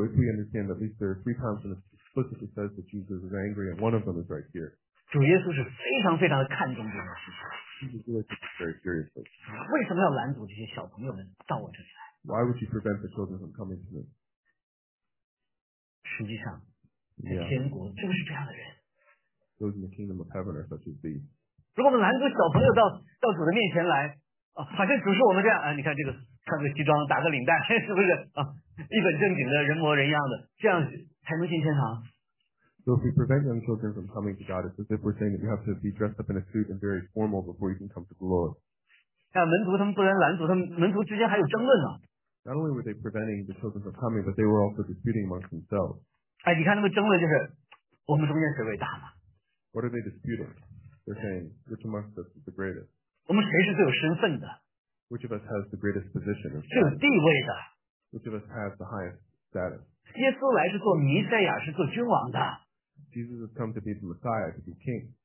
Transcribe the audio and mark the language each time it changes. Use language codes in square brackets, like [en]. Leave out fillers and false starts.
[en] if we understand at least there are three times when it explicitly says that Jesus is angry, and one of them is right here. [zh] 主耶稣是非常非常看重这件事情。为什么要拦阻这些小朋友们到我这里来？Why [en] would you prevent the children from coming to me? [zh] 实际上，天国就是这样的人。Those [en] in the kingdom of heaven are such as [zh] these。如果我们拦阻小朋友到主的面前来，啊，好像主是我们这样，啊，你看这个穿个西装打个领带，是不是啊？一本正经的人模人样的，这样才能进天堂。 [en] So if we prevent young children from coming to God, it's as if we're saying that you have to be dressed up in a suit and very formal before you can come to the Lord. [zh] 门徒他们不然拦阻，他们门徒之间还有争论呢。Not [en] only were they preventing the children from coming, but they were also disputing amongst themselves. [zh] 哎，你看他们争论就是，我们中间谁伟大嘛？ [en] What are they disputing? They're saying which amongst us is the greatest. [zh] 我们谁是最有身份的？ [en] Which of us has the greatest position? [zh] 最有地位的？ [en] Which of us has the highest status? [zh] 耶稣来是做弥赛亚，是做君王的。 [en] Jesus has come to be the Messiah, to be king.